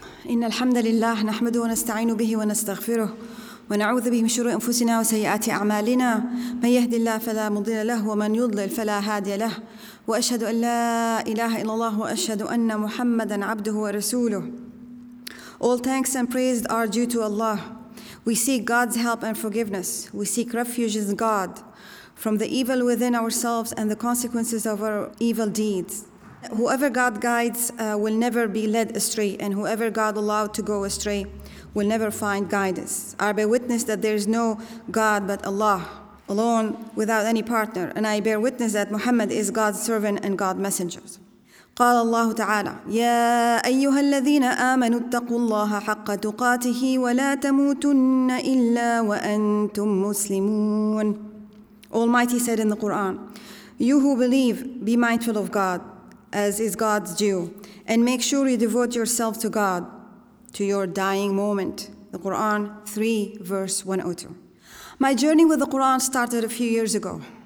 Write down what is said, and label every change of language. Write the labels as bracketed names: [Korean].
[Arabic] إن الحمد لله نحمده ونستعين به ونستغفره ونعوذ به من شرور أنفسنا وسيئات أعمالنا من يهدي الله فلا مضل له ومن يضلل فلا هادي له وأشهد أن لا إله إلا الله وأشهد أن محمدا عبده ورسوله. [English] All thanks and praise are due to Allah. We seek God's help and forgiveness. We seek refuge in God from the evil within ourselves and the consequences of our evil deeds. Whoever God guides will never be led astray, and whoever God allowed to go astray will never find guidance. I bear witness that there is no God but Allah, alone, without any partner, and I bear witness that Muhammad is God's servant and God's messenger. [Arabic] قال الله تعالى يا أيها الذين آمنوا اتقوا الله حق تقاته ولا تموتن إلا وأنتم مسلمون. [English] Almighty said in the Quran, you who believe, be mindful of God, as is God's due, and make sure you devote yourself to God to your dying moment. The Quran 3 verse 102. My journey with the Quran started a few years ago.